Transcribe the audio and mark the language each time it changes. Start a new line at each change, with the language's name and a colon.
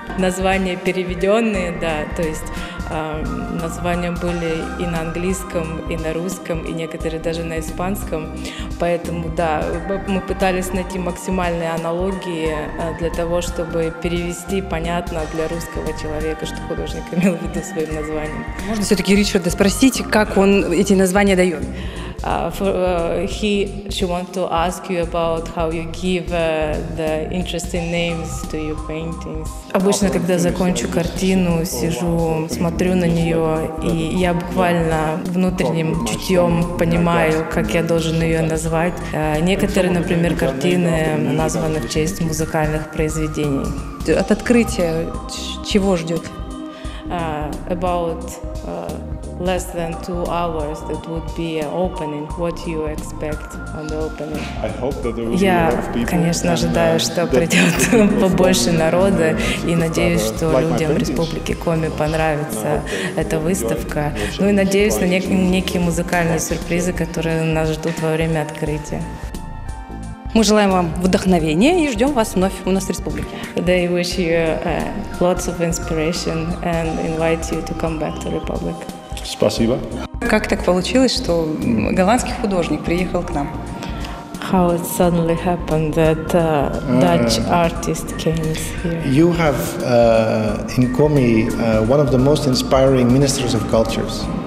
Russian: Названия переведенные, да, то есть названия были и на английском, и на русском, и некоторые даже на испанском. Поэтому, да, мы пытались найти максимальные аналогии для того, чтобы перевести понятно для русского человека, что художник имел в виду своим названием. Можно все-таки Ричарда спросить, как он эти названия дает?
English: She wants to ask you about how you give the interesting names to your paintings.
Russian: Обычно, когда закончу картину, сижу, смотрю на нее, и я буквально внутренним чутьем понимаю, как я должен ее назвать. Некоторые, например, картины названы в честь музыкальных произведений. От открытия чего ждет?
English: About less than 2 hours, that would be an opening. What you expect on the opening? I hope that there will
Russian: Я,
English: be a lot of people.
Russian: Я, конечно, ожидаю, что придет побольше народа, и надеюсь, что людям Республики Коми понравится эта выставка. Ну и надеюсь на некие музыкальные сюрпризы, которые нас ждут во время открытия. Мы желаем вам вдохновения и ждем вас вновь у нас в республике.
English: They wish you lots of inspiration and invite you to come back to Republic.
Russian: Спасибо. Как так получилось, что голландский художник приехал к нам?
English: How it suddenly happened that Dutch artist came here? You have in Коми one of the most inspiring ministers of cultures.